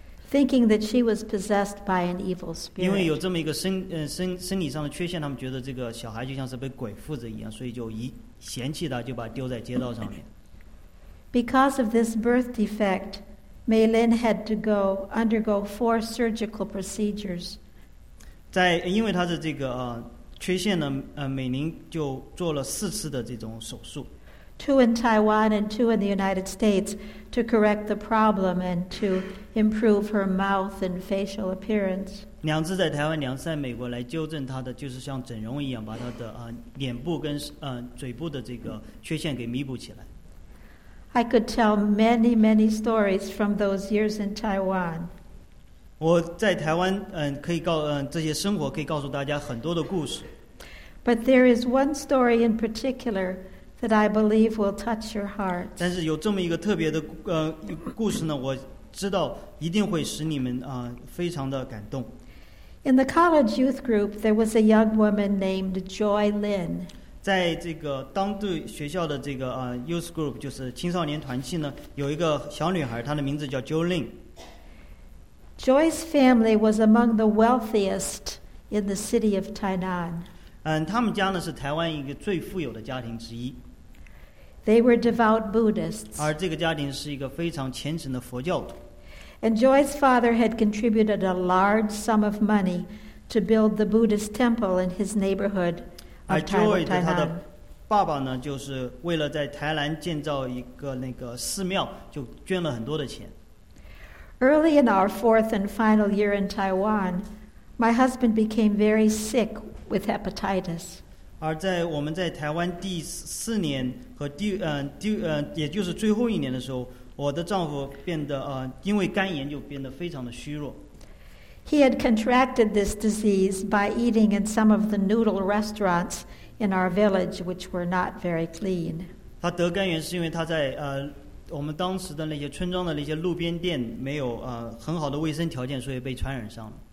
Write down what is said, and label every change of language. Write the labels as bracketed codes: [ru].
[en] Thinking that she was possessed by an evil spirit. [zh] 因为有这么一个生理上的缺陷，他们觉得这个小孩就像是被鬼附着一样，所以就嫌弃他，就把他丢在街道上面。 [en] Because of this birth defect, Mei Lin had to undergo 4 surgical procedures. [zh] 在因为他的这个缺陷呢，美玲就做了4次的这种手术。 [en] 2 in Taiwan and 2 in the United States to correct the problem and to improve her mouth and facial appearance. [zh] 2次在台湾，2次在美国来纠正他的，就是像整容一样，把他的脸部跟嘴部的这个缺陷给弥补起来。 [en] I could tell many, many stories from those years in Taiwan. [zh] 我在台湾可以这些生活可以告诉大家很多的故事。 [en] But there is one story in particular that I believe will touch your heart. [zh] 但是有这么一个特别的故事呢，我知道一定会使你们非常的感动。 [en] In the college youth group, there was a young woman named Joy Lin. [zh] 在这个当地学校的这个youth group, 就是青少年团契呢，有一个小女孩，她的名字叫 Joy Lin。 [en] Joy's family was among the wealthiest in the city of Tainan. [zh] 他们家呢是台湾一个最富有的家庭之一。 [en] They were devout Buddhists. [zh] 而这个家庭是一个非常虔诚的佛教徒。 [en] And Joy's father had contributed a large sum of money to build the Buddhist temple in his neighborhood of Tainan. [zh] 而 Joy 的他的爸爸呢，就是为了在台南建造一个那个寺庙，就捐了很多的钱。 [en] Early in our 4th and final year in Taiwan, my husband became very sick with hepatitis. [zh] 而在我们在台湾第四年和也就是最后一年的时候，我的丈夫变得因为肝炎就变得非常的虚弱。 [en] He had contracted this disease by eating in some of the noodle restaurants in our village, which were not very clean. [zh] 他得肝炎是因为他在我们当时的那些村庄的那些路边店没有很好的卫生条件，所以被传染上了。